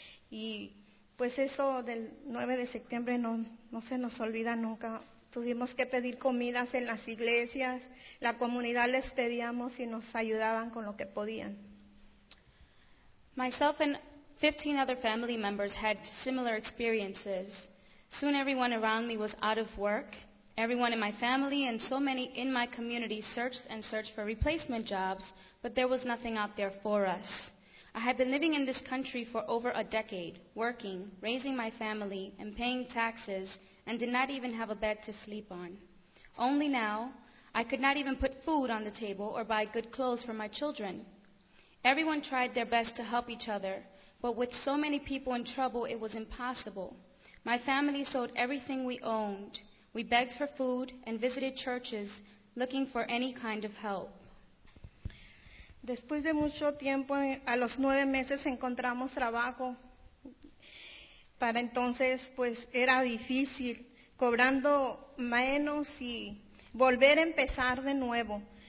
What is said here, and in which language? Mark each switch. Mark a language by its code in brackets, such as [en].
[es] Y pues eso del 9 de septiembre no se nos olvida nunca. Tuvimos que pedir comidas en las iglesias. La comunidad les pedíamos y nos ayudaban con lo que podían. [en] Myself and 15 other family members had similar experiences. Soon everyone around me was out of work. Everyone in my family and so many in my community searched and searched for replacement jobs, but there was nothing out there for us. I had been living in this country for over a decade, working, raising my family, and paying taxes, and did not even have a bed to sleep on. Only now, I could not even put food on the table or buy good clothes for my children. Everyone tried their best to help each other, But with so many people in trouble, it was impossible. My family sold everything we owned. We begged for food and visited churches looking for any kind of help. [es] Después de mucho tiempo, a los 9 meses, encontramos trabajo. Para entonces, pues, era difícil, cobrando menos y volver a empezar de nuevo.